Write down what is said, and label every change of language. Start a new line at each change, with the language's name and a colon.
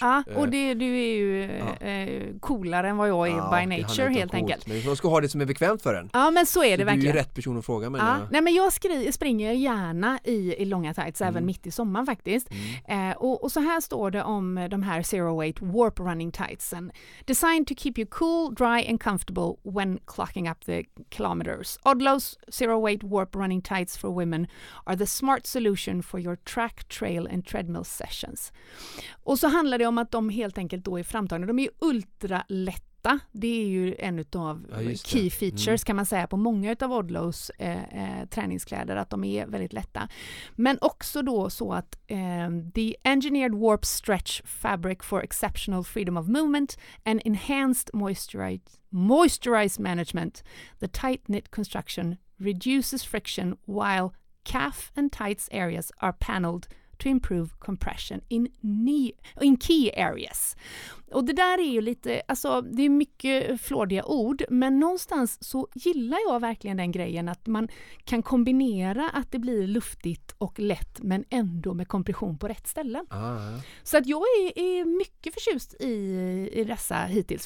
Swedish: Ja, och du är ju coolare än vad jag är
English: by nature,
Swedish: helt enkelt. Men man ska ha det som är bekvämt för en. Ja, men så är det så verkligen. Du är rätt person att fråga. Men nej, men jag springer gärna i långa tights, även mitt i sommaren faktiskt. Och så här står det om de här Zero Weight Warp Running Tightsen.
English: Designed to keep you cool, dry and comfortable when clocking up the kilometers. Odlo's zero-weight warp running tights for women are the smart solution for your track, trail and treadmill sessions.
Swedish: Och så handlar det om att de helt enkelt då är framtagna. De är ju ultra lätta. Det är ju en av key features kan man säga på många av Odlo's träningskläder, att de är väldigt lätta. Men också då så att
English: the engineered warp stretch fabric for exceptional freedom of movement and enhanced moisturized management. The tight knit construction reduces friction while calf and tights areas are paneled to improve compression in key areas.
Swedish: Och det där är ju lite, alltså det är mycket flådiga ord, men någonstans så gillar jag verkligen den grejen att man kan kombinera att det blir luftigt och lätt men ändå med kompression på rätt ställen. Så att jag är mycket förtjust i dessa hittills.